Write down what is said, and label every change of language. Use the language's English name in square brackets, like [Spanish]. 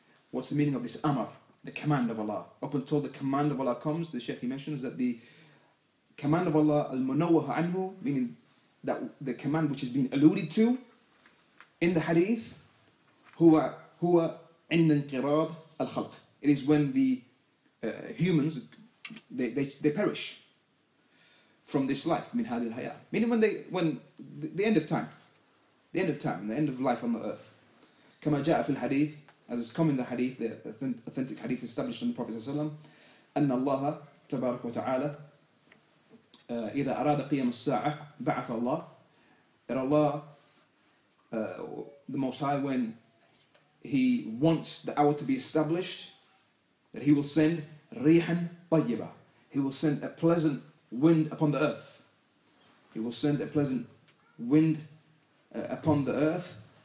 [English] What's the meaning of this amr, the command of Allah? Up until the command of Allah comes, the Shaykh, he mentions that the command of Allah, الْمُنَوَّهُ عَنْهُ, meaning that the command which is being alluded to in the hadith, [Arabic] هُوَ عند انقراض الخلق. [English] It is when the humans, they perish from this life, [Arabic] من هذه الحياة. [English] Meaning when the end of time, the end of time, the end of life on the earth. [Arabic] كما جاء في الحديث, [English] as is come in the hadith, the authentic hadith established in the Prophet صلى الله عليه وسلم, [Arabic] أن الله تبارك وتعالى إذا أراد قيام الساعة بعث الله. [English] That Allah, the Most High, when He wants the hour to be established, that He will send rihan tayyibah. He will send a pleasant wind upon the earth. He will send a pleasant wind upon the earth.